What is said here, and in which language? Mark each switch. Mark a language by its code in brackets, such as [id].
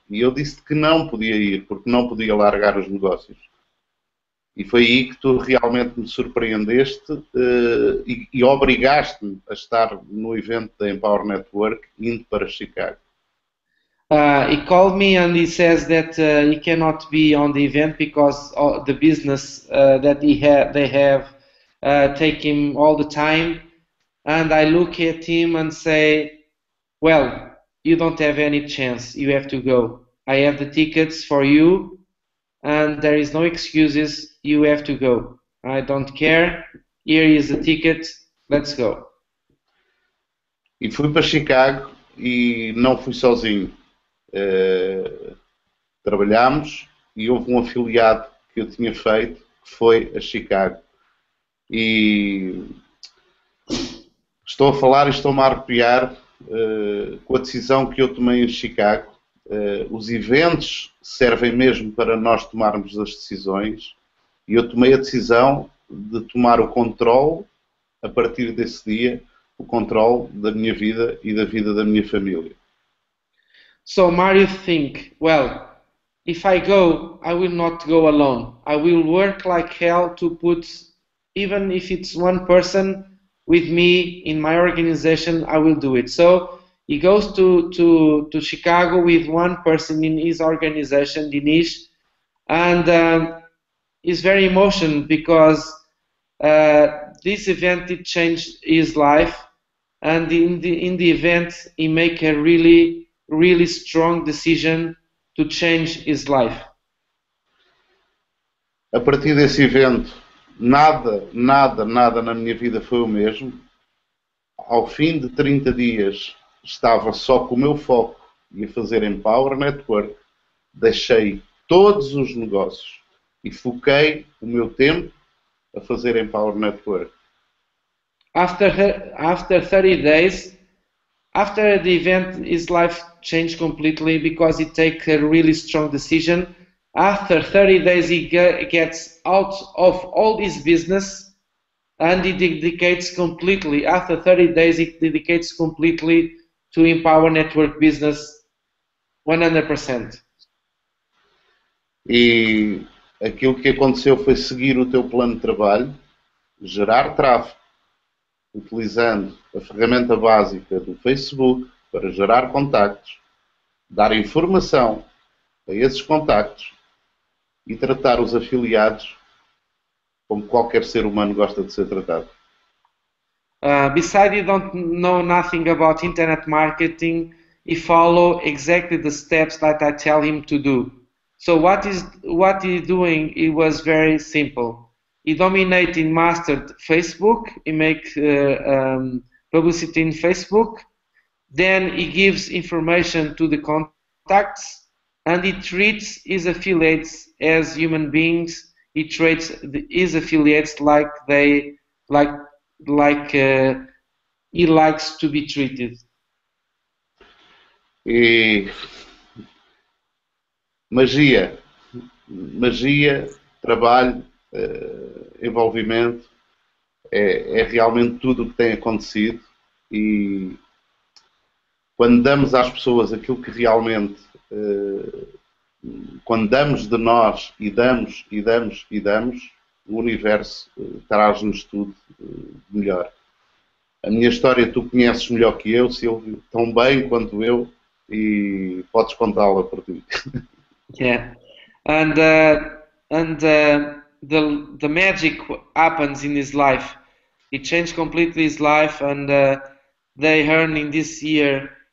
[pt] E eu disse que não podia ir porque não podia largar os negócios. E foi aí que tu realmente me surpreendeste e obrigaste-me a estar no evento da Empower Network indo para Chicago. [en] He called me and he says that he cannot be on the event because the business that they have take him all the time. And I look at him and say, well, you don't have any chance. You have to go. I have the tickets for you. And there is no excuses, you have to go. I don't care, here is the ticket, let's go. [pt] E fui para Chicago e não fui sozinho. Trabalhámos e houve um afiliado que eu tinha feito, que foi a Chicago. E estou a falar e estou-me a arrepiar com a decisão que eu tomei em Chicago. Os eventos servem mesmo para nós tomarmos as decisões e eu tomei a decisão de tomar o controle, a partir desse dia, o controle da minha vida e da vida da minha família. [en] So, Mario, think, well, if I go, I will not go alone. I will work like hell to put, even if it's one person with me in my organization, I will do it. So, he goes to Chicago with one person in his organization, Dinesh, and he's very emotional because this event it changed his life, and in the event he make a really, really strong decision to change his life. [pt] A partir desse evento, nada, nada, nada na minha vida foi o mesmo. Ao fim de 30 dias, estava só com o meu foco e a fazer Empower Network, deixei todos os negócios e foquei o meu tempo a fazer Empower Network. [en] After 30 days, after the event, his life changed completely because he takes a really strong decision. After 30 days, he gets out of all his business and he dedicates completely. After 30 days, he dedicates completely to empower network business 100%. [pt] E aquilo que aconteceu foi seguir o teu plano de trabalho, gerar tráfego, utilizando a ferramenta básica do Facebook para gerar contactos, dar informação a esses contactos e tratar os afiliados como qualquer ser humano gosta de ser tratado. [en] Besides, you don't know nothing about internet marketing, he follow exactly the steps that I tell him to do. So what he's doing, it was very simple. He dominated and mastered Facebook, he make publicity in Facebook, then he gives information to the contacts, and he treats his affiliates as human beings, he treats his affiliates like they, like he likes to be treated. [pt] E... magia, magia, trabalho, envolvimento, é realmente tudo o que tem acontecido e quando damos às pessoas aquilo que realmente, quando damos de nós e damos e damos e damos, o universo traz-nos tudo melhor. A minha história tu conheces melhor que eu, Silvio, tão bem quanto eu e podes contá-la por ti. [en] Yeah, and the magic happens in his life. He changed completely his life, and they earn in this year.